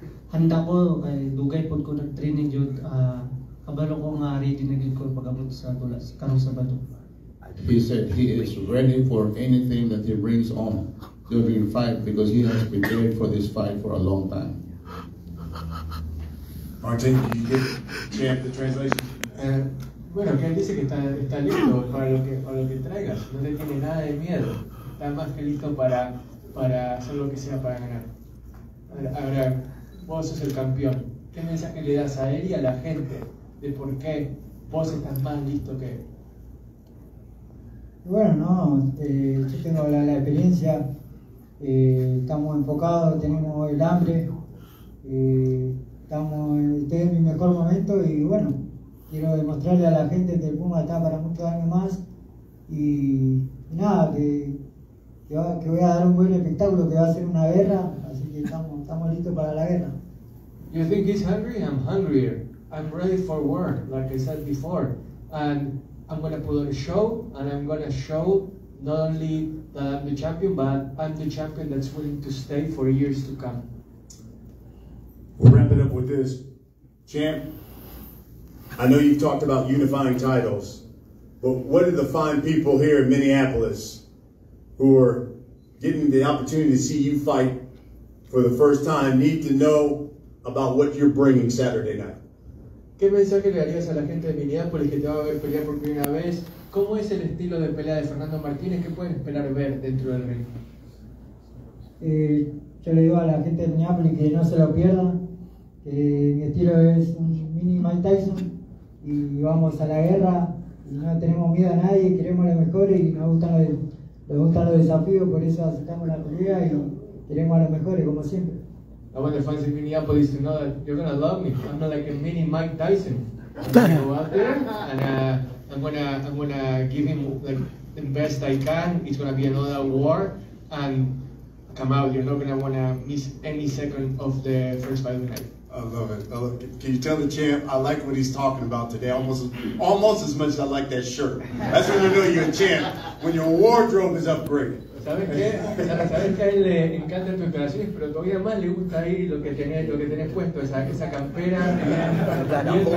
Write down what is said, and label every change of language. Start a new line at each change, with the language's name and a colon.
Cebuano: Handa ko kay dugay pod ko nag training jud kabalo ko nga ready na gyud ko pagabot sa tulas karon sa bato.
English: He said he is ready for anything that he brings on during fight because he has been prepared for this fight for a long time. Martin, can you get champ the translation?
Spanish: Bueno, que él dice que está listo para lo que traigas. No le tiene nada de miedo. Está más que listo para hacer lo que sea para ganar. Ahora, vos sos el campeón. ¿Qué mensaje le das a él y a la gente de por qué vos estás más listo que él? Bueno, no, yo tengo la experiencia, Estamos enfocados, tenemos el hambre, este es mi mejor momento y bueno, quiero demostrarle a la gente que el Puma está para muchos años más y nada, que voy a dar un buen espectáculo, que va a ser una guerra, así que estamos listos para la guerra.
English: You think he's hungry? I'm hungrier. I'm ready for war, like I said before. And I'm going to put on a show, and I'm going to show not only that I'm the champion, but I'm the champion that's willing to stay for years to come. We'll wrap it up with this. Champ, I know you've talked about unifying titles, but what are the fine people here in Minneapolis who are getting the opportunity to see you fight for the first time need to know about what you're bringing Saturday night?
Spanish: ¿Qué mensaje le darías a la gente de Minneapolis que te va a ver pelear por primera vez? ¿Cómo es el estilo de pelea de Fernando Martínez? ¿Qué pueden esperar ver dentro del ring? Yo le digo a la gente de Minneapolis que no se lo pierdan. Mi estilo es un mini Mike Tyson y vamos a la guerra. Y no tenemos miedo a nadie, queremos lo mejor y nos gustan los desafíos, por eso aceptamos la corrida y queremos a los mejores, como siempre.
English: I want the fans in Minneapolis to know that you're gonna love me. I'm not like a mini Mike Tyson. I'm gonna go out there and I'm gonna give him the best I can. It's gonna be another war and come out. You're not gonna wanna miss any second of the first 5 minutes. I love it. Can you tell the champ I like what he's talking about today? Almost as much as I like that shirt. That's when you know you're a champ, when your wardrobe is upgraded.
Spanish: Sabes que a él le encantan tus operaciones, pero todavía más le gusta ahí lo que tenés puesto, esa campera,